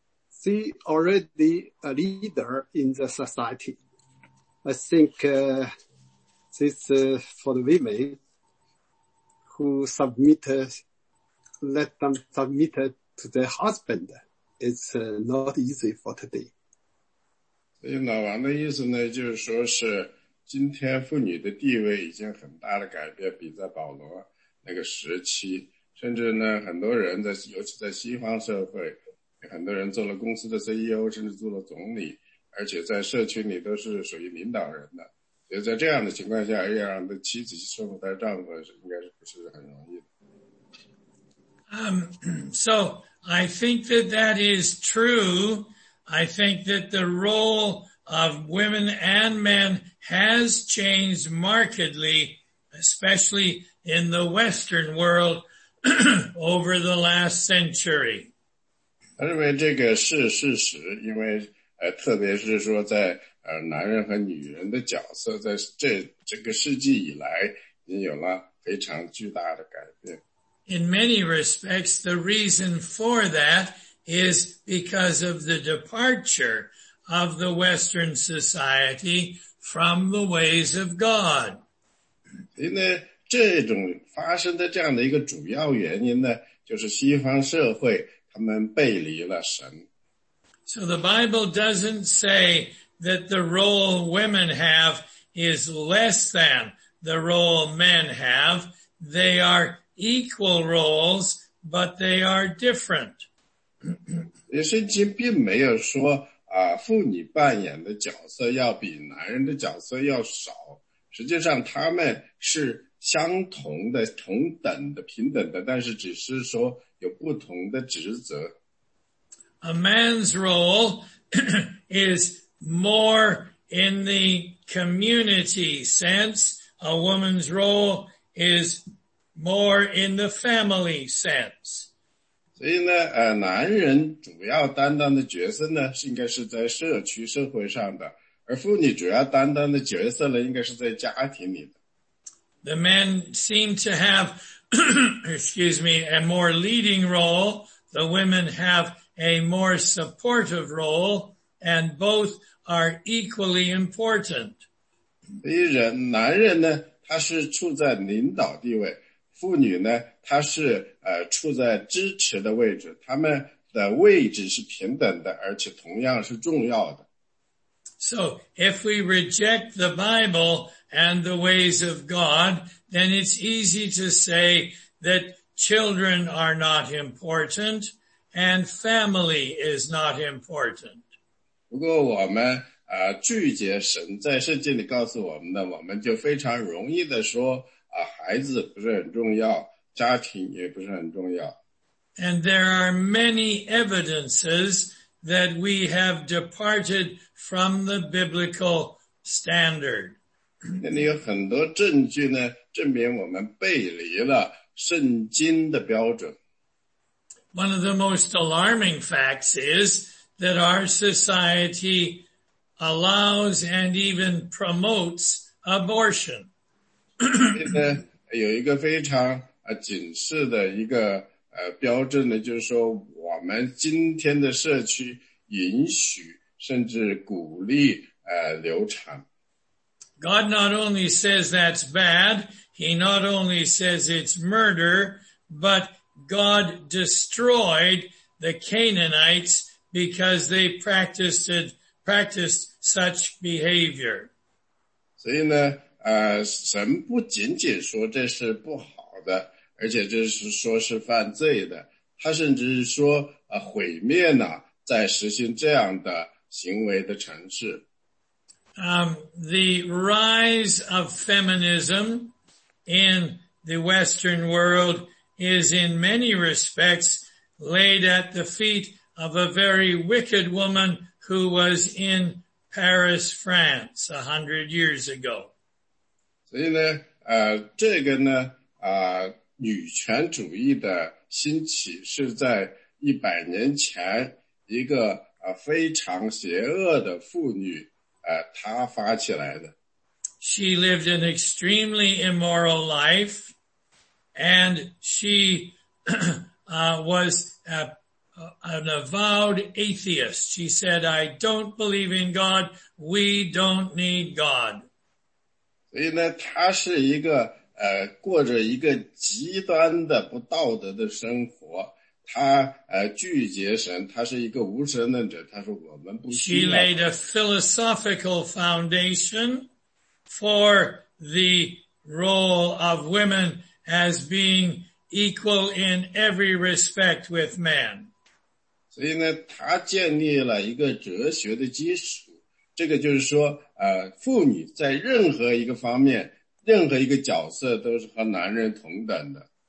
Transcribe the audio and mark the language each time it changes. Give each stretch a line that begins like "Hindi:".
English: See already a leader in the society. I think this is for the women who let them submit to their husband. It's not easy for today.
Chinese: 所以老王的意思呢，就是说是今天妇女的地位已经很大的改变，比在保罗那个时期，甚至呢，很多人在，尤其在西方社会，很多人做了公司的 CEO， 甚至做了总理，而且在社群里都是属于领导人的。所以在这样的情况下，要让的妻子生活在丈夫是应该是不是很容易的。
English: So I think that is true. I think that the role of women and men has changed markedly, especially in the Western world over the last century.
Chinese: 他认为这个是事实，因为特别是说在男人和女人的角色在这个世纪以来已经有了非常巨大的改变。
English: In many respects, the reason for that is because of the departure of the Western society from the ways of God.
Chinese: 所以呢，这种发生的这样的一个主要原因呢，就是西方社会他们背离了神。
English: So the Bible doesn't say that the role women have is less than the role men have. They are equal roles, but they are different.
Chinese: 圣经并没有说啊，妇女扮演的角色要比男人的角色要少。实际上他们是相同的、同等的、平等的，但是只是说有不同的职责。
English: A man's role is more in the community sense. A woman's role is more in the family sense.
Chinese: 所以呢，男人主要担当的角色呢，应该是在社区、社会上的，而妇女主要担当的角色呢，应该是在家庭里的。
English: The men seem to have excuse me, a more leading role. The women have a more supportive role, and both are equally important.
Chinese: 男人呢，他是处在领导地位，妇女呢，他是处在支持的位置，他们的位置是平等的，而且同样是重要的。
English: So, if we reject the Bible and the ways of God, then it's easy to say that children are not important and family is not important.
Chinese: 如果我们拒绝神在圣经里告诉我们的，我们就非常容易的说孩子不是很重要，家庭也不是很重要。
English: And there are many evidences that we have departed from the biblical standard.
Chinese: 那里有很多证据呢，证明我们背离了圣经的标准。
English: One of the most alarming facts is that our society allows and even promotes abortion.
Chinese: 有一个非常警示的一个标志呢，就是说我们今天的社区允许甚至鼓励流产。
English: God not only says that's bad, he not only says it's murder, but God destroyed the Canaanites because they practiced such behavior.
Chinese: 所以呢神不仅仅说这是不好的，而且这是说是犯罪的，他甚至是说毁灭呢在实行这样的行为的城市。
English: The rise of feminism in the Western world is in many respects laid at the feet of a very wicked woman who was in Paris, France, 100 years ago.
Chinese: 所以呢这个呢女权主义的兴起是在100年前一个非常邪恶的妇女她发起来的。
English: She lived an extremely immoral life, and she was an avowed atheist. She said, I don't believe in God. We don't need God.
Chinese: 所以呢她是一个过着一个极端的不道德的生活。他拒绝神，他是一个无神论者，他说我们不需要。
English: She laid a philosophical foundation for the role of women as being equal in every respect with man.
Chinese: 所以呢他建立了一个哲学的基础，这个就是说妇女在任何一个方面任何一个角色都是和男人同等的。